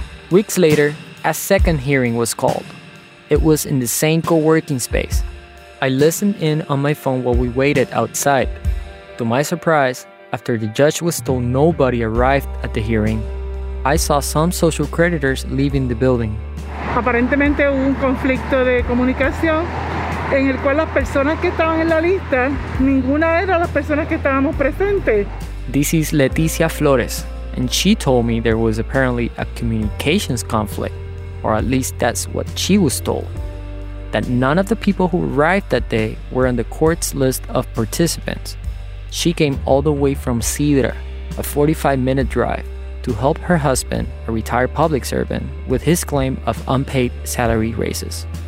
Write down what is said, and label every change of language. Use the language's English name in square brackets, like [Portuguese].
[English] Weeks later, a second hearing was called. It was in the same co-working space. I listened in on my phone while we waited outside. To my surprise, after the judge was told nobody arrived at the hearing, I saw some social creditors leaving the building. [Spanish] Aparentemente hubo un conflicto de comunicación en el cual las personas que estaban en la lista, ninguna era las personas que estábamos presentes. [English] This is Leticia Flores, and she told me there was apparently a communications conflict, or at least that's what she was told, that none of the people who arrived that day were on the court's list of participants. She came all the way from Cedar, a 45-minute drive, to help her husband, a retired public servant, with his claim of unpaid salary raises.